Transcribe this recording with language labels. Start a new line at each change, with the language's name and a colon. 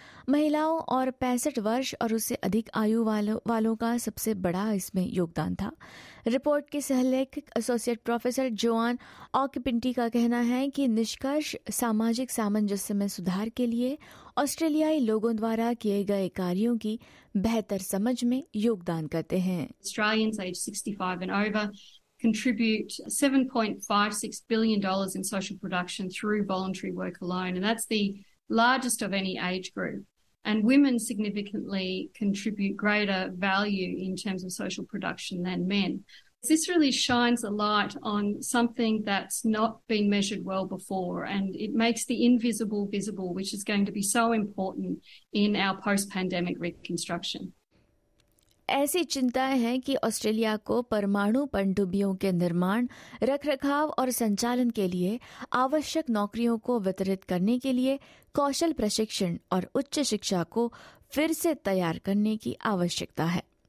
Hindi: महिलाओं और 65 वर्ष और उससे अधिक आयु वालों का सबसे बड़ा इसमें योगदान था। रिपोर्ट के सहलेखक एसोसिएट प्रोफेसर जोआन ऑकपिंटी का कहना है कि निष्कर्ष सामाजिक सामंजस्य में सुधार के लिए ऑस्ट्रेलियाई लोगों द्वारा किए गए कार्यों की बेहतर समझ में योगदान करते हैं।
English: Australians age 65 and over contribute $7.56 billion in social production through voluntary work alone, and that's the largest of any age group. And women significantly contribute greater value in terms of social production than men. This really shines a light on something that's not been measured well before, and it makes the invisible visible, which is going to be so important in our post-pandemic reconstruction.
Hindi: ऐसी चिंताएं हैं कि Australia को परमाणु पनडुब्बियों के निर्माण, रखरखाव और संचालन के लिए आवश्यक नौकरियों को वितरित करने के लिए कौशल प्रशिक्षण और उच्च शिक्षा को फिर से तैयार करने की आवश्यकता है।